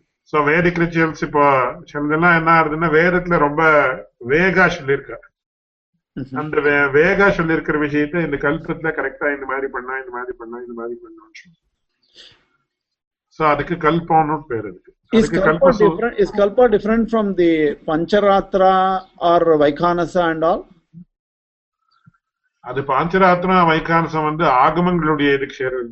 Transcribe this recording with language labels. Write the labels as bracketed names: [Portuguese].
[English] So, Vedic rituals, [Tamil] இப்போ சொல்லுங்கன்னா என்ன இருக்குன்னா வேதத்துல ரொம்ப வேகா சொல்லியிருக்கா. அந்த வேகா சொல்லியிருக்கிற விஷயத்த இந்த கல்பத்துல கரெக்டா இந்த மாதிரி பண்ணா இந்த மாதிரி பண்ணா இந்த மாதிரி பண்ணான்னு சொல்லுங்க. So, அதுக்கு கல்பான்னு பேர் இருக்கு. [English] Is Kalpa different from the Pancharatra or Vaikhanasa and all? [Tamil] அது பஞ்சராத்திரம் வைகானசம் வந்து ஆகமங்களுடைய இதுக்கு சேர்றது.